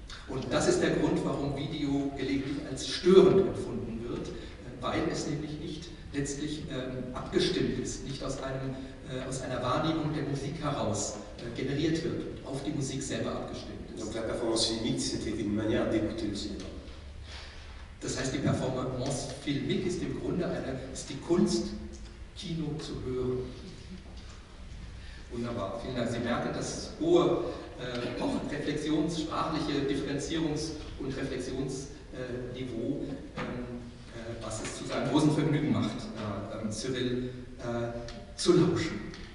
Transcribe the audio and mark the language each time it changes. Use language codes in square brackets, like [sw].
[de] Und das ist der Grund, warum Video gelegentlich als störend empfunden wird, weil es nämlich nicht letztlich abgestimmt ist, nicht aus einer Wahrnehmung der Musik heraus generiert wird, auf die Musik selber abgestimmt ist. [fr] Donc la performance filmique, c'était une manière d'écouter le cinéma. [de] Das heißt, die Performance filmique ist im Grunde ist die Kunst, Kino zu hören. Wunderbar, vielen Dank. Sie merken, dass hohe auch reflexionssprachliche Differenzierungs- und Reflexionsniveau, was es zu seinem großen Vergnügen macht, Cyril zu lauschen.